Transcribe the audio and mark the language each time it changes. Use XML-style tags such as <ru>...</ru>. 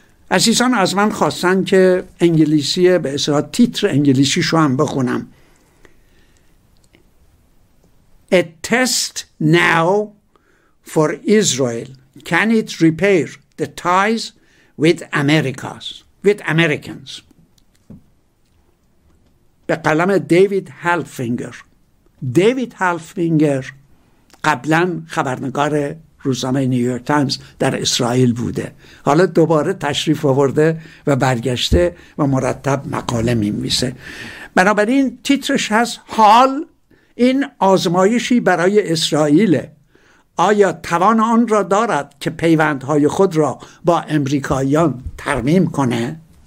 <fa>عزیزان از من خواستن که انگلیسی به اصطلاح تیتر انگلیسیشو هم بخونم:</fa> <en>A test now for Israel. Can it repair the ties with Americas, with Americans.</en> <fa>به قلم دیوید هلفینگر. دیوید هلفینگر قبلا خبرنگار روزنامه نیویورک تایمز در اسرائیل بوده، حالا دوباره تشریف آورده و برگشته و مرتب مقاله می‌نویسه. بنابراین تیترش هست حال این آزمایشی برای اسرائیله، آیا توان آن را دارد که پیوندهای خود را با امریکاییان ترمیم کنه؟</fa>